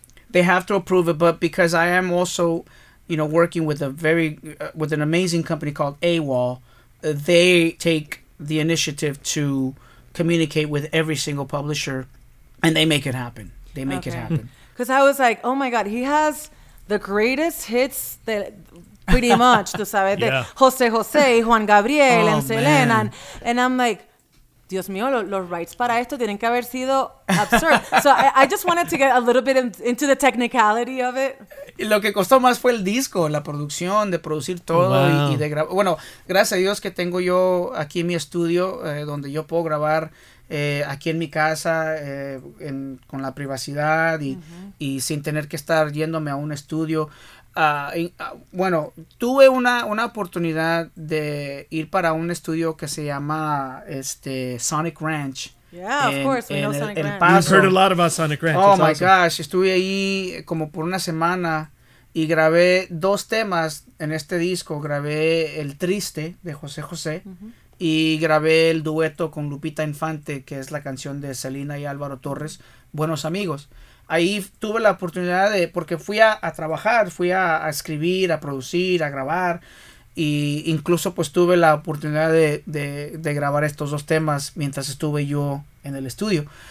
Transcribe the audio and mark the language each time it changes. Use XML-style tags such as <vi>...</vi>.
<en>They have to approve it, but because I am also, you know, working with with an amazing company called AWOL, they take the initiative to communicate with every single publisher, and they make it happen. They make it happen. Because I was like, oh my God, he has the greatest hits that pretty much,</en> <es>tú sabes,</es> <en>yeah. Jose Jose, Juan Gabriel, and Selena. And I'm like,</en> <es>Dios mío, los rights para esto tienen que haber sido</es> <en>absurd. So I just wanted to get a little bit into the technicality of it.</en> <es>Lo que costó más fue el disco, la producción, de producir todo. Wow. Y de grabar. Bueno, gracias a Dios que tengo yo aquí en mi estudio, donde yo puedo grabar aquí en mi casa, con la privacidad y sin tener que estar yéndome a un estudio. Bueno, tuve una oportunidad de ir para un estudio que se llama Sonic Ranch.</es> <en>Yeah, of course, we know Sonic Ranch. You've heard a lot about Sonic Ranch. Oh, my gosh.</en> <es>Estuve ahí como por una semana y grabé dos temas en este disco. Grabé El Triste de José José y grabé el dueto con Lupita Infante, que es la canción de Selena y Álvaro Torres, Buenos Amigos. Ahí tuve la oportunidad de, porque fui a trabajar, fui a escribir, a producir, a grabar, e incluso pues tuve la oportunidad de grabar estos dos temas mientras estuve yo en el estudio.</es>